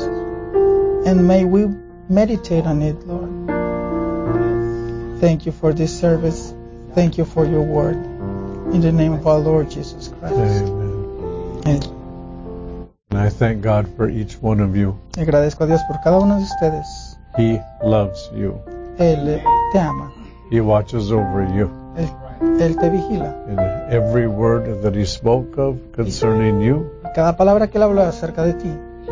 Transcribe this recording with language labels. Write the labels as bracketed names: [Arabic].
[English] And may we meditate on it, Lord. Thank you for this service. Thank you for your word. In the name of our Lord Jesus Christ. Amen. And I thank God for each one of you. [Spanish] Y agradezco a Dios por cada uno de ustedes. [English] He loves you. [Spanish] Él te ama. [English] He watches over you. [Spanish] Él te vigila. [English] And every word that he spoke of concerning you, [Spanish] cada palabra que él habló acerca de ti,